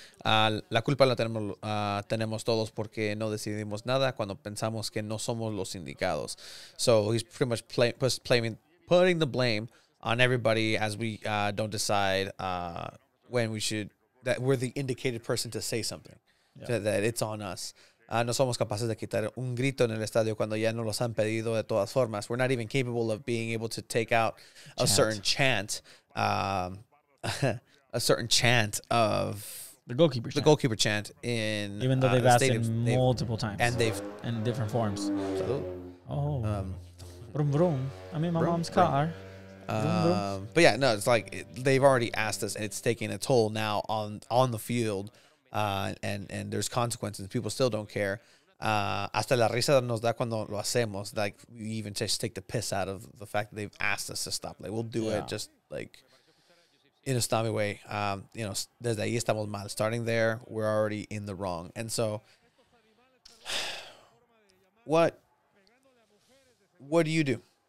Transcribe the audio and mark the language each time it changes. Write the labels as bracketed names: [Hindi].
[Spanish] La culpa la tenemos todos porque no decidimos nada cuando pensamos que no somos los indicados. [English] So, he's pretty much putting the blame on everybody as we don't decide when we should, that we're the indicated person to say something. Yeah. That it's on us. [Spanish] No somos capaces de quitar un grito en el estadio cuando ya no los han pedido de todas formas. [English] We're not even capable of being able to take out a certain chant of the goalkeeper chant in, even though they've asked it multiple times and they've in different forms. Vroom vroom. I mean, my mom's car. Vroom. But yeah, no, it's like they've already asked us, and it's taking a toll now on the field. And there's consequences. People still don't care. [Spanish] Hasta la risa nos da cuando lo hacemos. [English] Like, we even just take the piss out of the fact that they've asked us to stop. Like, we'll do it just, like, in a stomach way. You know, [Spanish] desde ahí estamos mal. [English] Starting there, we're already in the wrong. And so, what do you do?